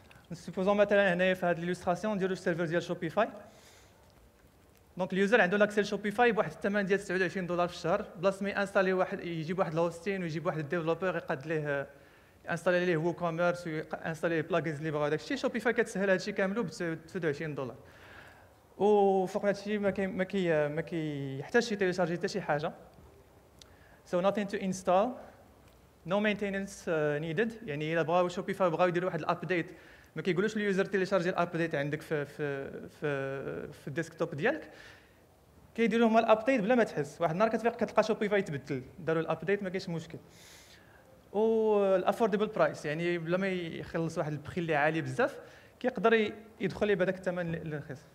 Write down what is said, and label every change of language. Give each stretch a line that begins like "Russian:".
Arabic: نسيبوزون مثلا هنايا في هاد الالوستراسيون نديرو السيرفر ديال شوبيفاي. دونك اليوزر عنده لاكسي لشوبيفاي بواحد الثمن ديال 29 دولار في الشهر، بلاص ما ينستالي واحد يجيب واحد الهوستين ويجيب واحد الديفلوبر يقاد ليه انستالي ليه وو كوميرس وانستالي بلاجنز اللي بغا. داكشي شوبيفاي كتسهل هادشي كاملو ب 29 دولار. وفوق هادشي ما كيحتاجش يتيليشارجي حتى شي حاجه.
English: So nothing to install, no maintenance needed.
Arabic: يعني إذا بغاو شوبيفاي بغاو يديروا واحد الابديت ما كيقولوش لليوزر تيليشارجي الابديت عندك في في في في الديسكتوب ديالك. كيديروا هما الابديت بلا ما تحس. واحد النهار كتفيق كتلقى شوبيفاي تبدل، داروا الابديت ما كاينش مشكل. و الافوردبل برايس، يعني بلا ما يخلص واحد البخي اللي عالي بزاف كيقدر يدخل ليه بهذاك الثمن الرخيص.